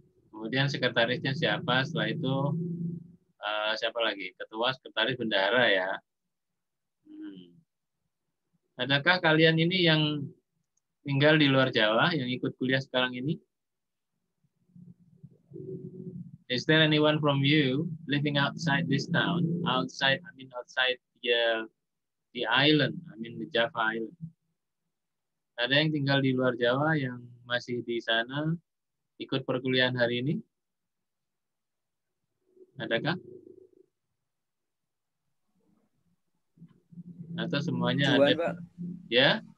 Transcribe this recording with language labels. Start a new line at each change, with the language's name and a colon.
Indonesian: Kemudian sekretarisnya siapa? Setelah itu siapa lagi? Ketua, sekretaris, bendahara ya. Adakah kalian ini yang tinggal di luar Jawa, yang ikut kuliah sekarang ini?
English: Is there anyone from you living outside this town? Outside, I mean outside the island, I mean the Java Island.
Indonesian: Ada yang tinggal di luar Jawa yang masih di sana ikut perkuliahan hari ini? Adakah? Atau semuanya Juan, ada? Juan, Pak. Ya?